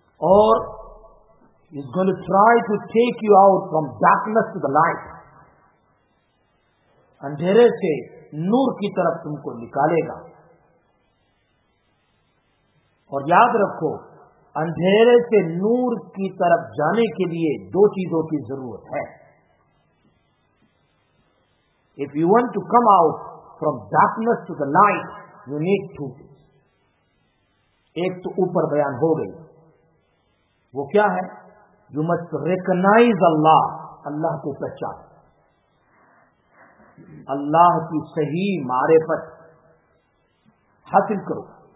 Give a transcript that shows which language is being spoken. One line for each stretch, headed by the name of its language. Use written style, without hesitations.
English: اور اس gonna try to take you out from darkness to the light,
Urdu: اندھیرے سے نور کی طرف تم کو نکالے گا. اور یاد رکھو اندھیرے سے نور کی طرف جانے کے لیے دو چیزوں کی ضرورت ہے.
English: If you want to come out from darkness to the light, you need two things.
Urdu: ایک تو اوپر بیان ہو گئی، وہ کیا ہے؟
English: You must recognize Allah.
Urdu: اللہ کو پہچان، اللہ کی صحیح معرفت حاصل کرو.